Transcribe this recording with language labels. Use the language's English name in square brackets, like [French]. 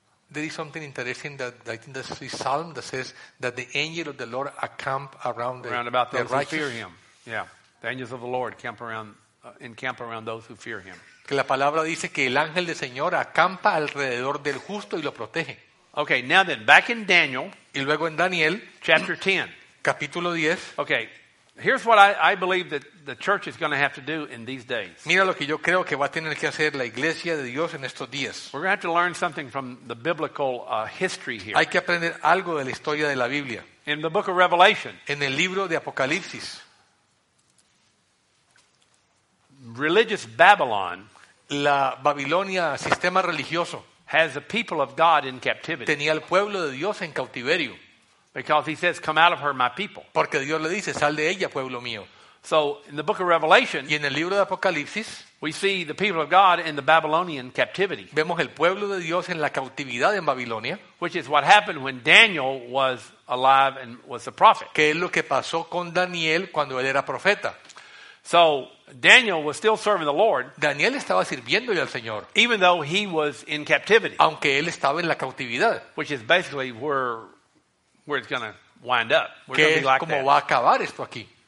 [English] There is something interesting that I think this is Psalm that says that the angel of the Lord encamp around the around about those the righteous. Who fear him. Yeah. The angels of the Lord encamp around those who fear him. [Spanish] Que la palabra dice que el ángel del Señor acampa alrededor del justo y lo protege. [English] Okay, now then, back in Daniel, [Spanish] y luego en Daniel, [English] chapter 10. [Spanish] Capítulo 10. [English] Okay. Here's what I believe that the church is going to have to do in these days. [Spanish] Mira lo que yo creo que va a tener que hacer la iglesia de Dios en estos días. [English] We're going to have to learn something from the biblical history here. [Spanish] Hay que aprender algo de la historia de la Biblia. [English] In the book of Revelation. [Spanish] En el libro de Apocalipsis. [English] Religious Babylon. [Spanish] La Babilonia, sistema religioso. [English] Has the people of God in captivity. [Spanish] Tenía el pueblo de Dios en cautiverio. [English] Because he says, "Come out of her, my people." [Spanish] Porque Dios le dice, sal de ella, pueblo mío. [English] So, in the book of Revelation, [Spanish] y en el libro de Apocalipsis, [English] we see the people of God in the Babylonian captivity. [Spanish] Vemos el pueblo de Dios en la cautividad en Babilonia, [English] which is what happened when Daniel was alive and was a prophet. [Spanish] Que es lo que pasó con Daniel cuando él era profeta. [English] So, Daniel was still serving the Lord. [Spanish] Daniel estaba sirviéndole al Señor. [English] Even though he was in captivity, [Spanish] aunque él estaba en la cautividad, [English] which is basically where it's going to wind up. [Spanish] ¿Qué es cómo va a acabar esto aquí?